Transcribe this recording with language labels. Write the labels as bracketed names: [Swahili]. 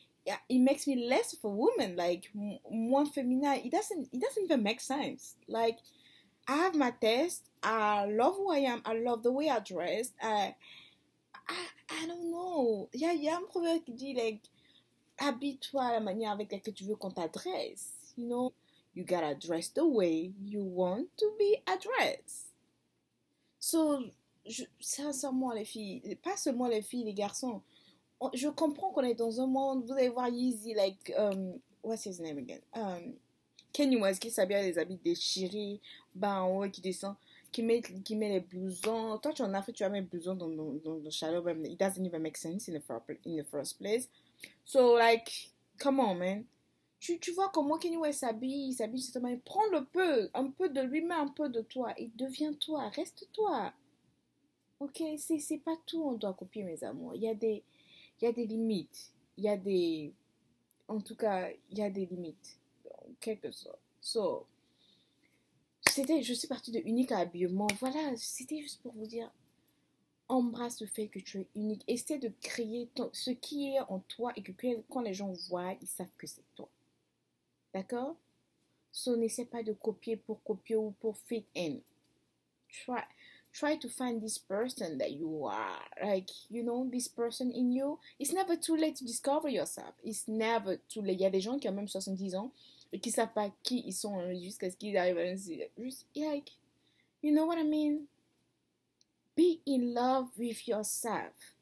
[English] Yeah, it makes me less of a woman, like, [French] moins féminin. [English] It doesn't even make sense. Like, I have my taste. I love who I am. I love the way I dress. I don't know. [French] Y a un proverbe qui dit, like, habille-toi à la manière avec laquelle tu veux qu'on t'adresse. [English] You know, you gotta dress the way you want to be addressed. [French] So, sincèrement, les filles, pas seulement les filles, les garçons. Je comprends qu'on est dans un monde, vous allez voir Yeezy, like, [English] what's his name again? [French] Kanye West qui s'habille avec des habits déchirés, bas en haut, qui descend, qui met les blousons. Toi, tu en as fait, tu as mis les blousons dans le chaleur, mais [English] it doesn't even make sense in the first place. So, like, come on, man. [French] Tu vois comment Kanye West s'habille, il s'habille justement, prends un peu de lui-même, un peu de toi, et deviens toi, reste toi. Ok, c'est pas tout, on doit copier, mes amours. Il y a des limites. En tout cas, il y a des limites. En quelque sorte. Je suis partie de unique à habillement. Voilà, c'était juste pour vous dire, embrasse le fait que tu es unique. Essaie de créer ce qui est en toi et que quand les gens voient, ils savent que c'est toi. D'accord? N'essaie pas de copier ou pour [English] fit in. Try to find this person that you are. Like, you know, this person in you. It's never too late to discover yourself. It's never too late. [French] Il y a des gens qui ont même 70 ans et qui ne savent pas qui ils sont jusqu'à ce qu'ils arrivent à l'université. [English] Juste, like, you know what I mean? Be in love with yourself.